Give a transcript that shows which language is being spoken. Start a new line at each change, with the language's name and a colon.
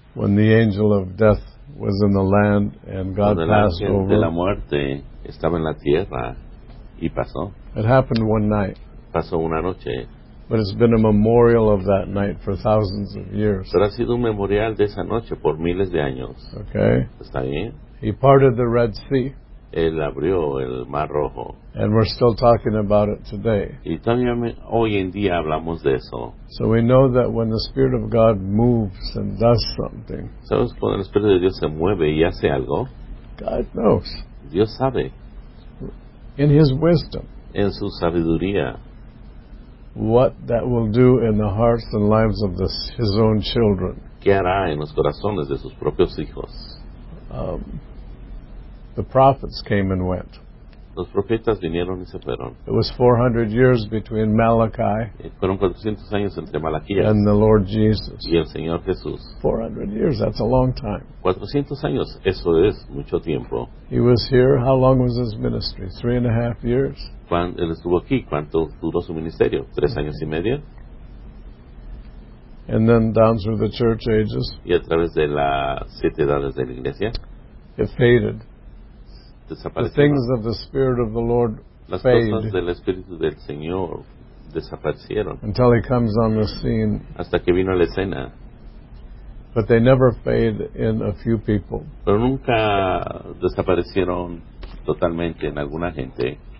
English: when the angel of death was in the land and God passed over,
Spanish: el ángel de la muerte estaba en la tierra y pasó.
English: It happened one night.
Spanish: Pasó una noche.
English: But it's been a memorial of that night for thousands of years.
Spanish: Pero ha sido un memorial de esa noche por miles de años.
English: Okay.
Spanish: Está bien.
English: He parted the Red Sea.
Spanish: Él abrió el Mar Rojo.
English: And we're still talking about it today.
Spanish: Y todavía hoy en día hablamos de eso.
English: So we know that when the Spirit of God moves and does something,
Spanish: ¿sabes cuando el Espíritu de Dios se mueve y hace algo?
English: God knows.
Spanish: Dios sabe.
English: In His wisdom.
Spanish: En su sabiduría.
English: What that will do in the hearts and lives of his own children.
Spanish: ¿Qué hará en los corazones de sus propios hijos?
English: The prophets came and went.
Spanish: Los profetas vinieron y se fueron.
English: It was 400 years between Malachi.
Spanish: Fueron 400 años entre Malaquías.
English: And the Lord Jesus.
Spanish: Y el Señor Jesús.
English: 400 years, that's a long time.
Spanish: 400 años, eso es mucho tiempo.
English: He was here, how long was his ministry? 3.5 years.
Spanish: Él estuvo aquí, ¿cuánto duró su ministerio? 3 años y medio.
English: And then down through the church ages.
Spanish: Y a través de las 7 edades de la iglesia.
English: It faded.
Spanish: Desapareció.
English: The things of the Spirit of the Lord
Spanish: las
English: fade.
Spanish: Las cosas del Espíritu del Señor desaparecieron.
English: Until he comes on the scene.
Spanish: Hasta que vino a la escena.
English: But they never fade in a few people.
Spanish: Pero nunca desaparecieron totalmente en alguna gente.